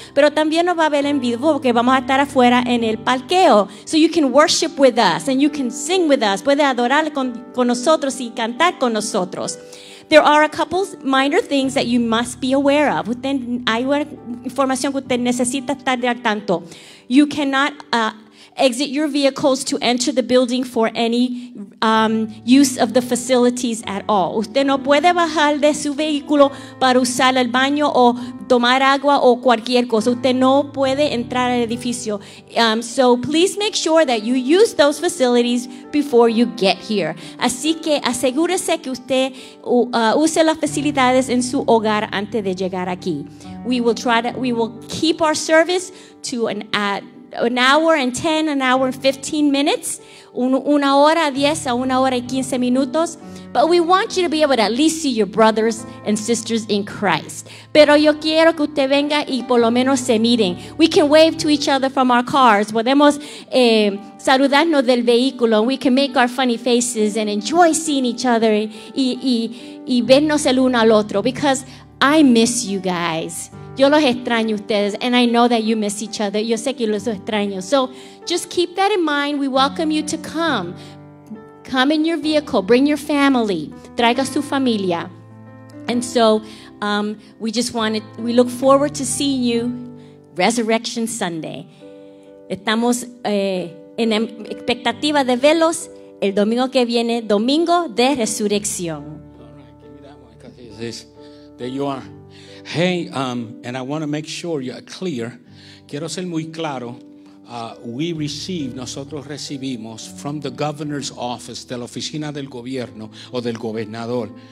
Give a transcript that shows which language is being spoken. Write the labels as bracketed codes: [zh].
[es] Pero también nos va a ver en vivo porque vamos a estar afuera en el parqueo. [en] So you can worship with us and you can sing with us. [es] Puede adorar con nosotros y cantar con nosotros. [en] There are a couple minor things that you must be aware of. [es] Usted, hay una información que usted necesita estar al tanto. [en] You cannot exit your vehicles to enter the building for any use of the facilities at all. [es] Usted no puede bajar de su vehículo para usar el baño o tomar agua o cualquier cosa. Usted no puede entrar al edificio. [en] So please make sure that you use those facilities before you get here. [es] Así que asegúrese que usted use las facilidades en su hogar antes de llegar aquí. [en] We will keep our service to an hour and 10, an hour and 15 minutes, [es] una hora 10 a una hora y 15 minutos. [en] But we want you to be able to at least see your brothers and sisters in Christ. [es] Pero yo quiero que usted venga y por lo menos se miren. [en] We can wave to each other from our cars. [es] Podemos saludarnos del vehículo. [en] We can make our funny faces and enjoy seeing each other [es] y vernos el uno al otro. [en] Because I miss you guys. [es] Yo los extraño ustedes, [en] and I know that you miss each other. [es] Yo sé que los extraño. [en] So just keep that in mind. We welcome you to come. Come in your vehicle. Bring your family. [es] Traiga su familia. [en] And so we look forward to seeing you Resurrection Sunday. [es] Estamos en expectativa de verlos el domingo que viene, Domingo de Resurrección. [en] All right, give me that one because it says, there you are. Hey, and I want to make sure you're clear. [es] Quiero ser muy claro. Nosotros recibimos [en] from the governor's office, [es] de la oficina del gobierno o del gobernador.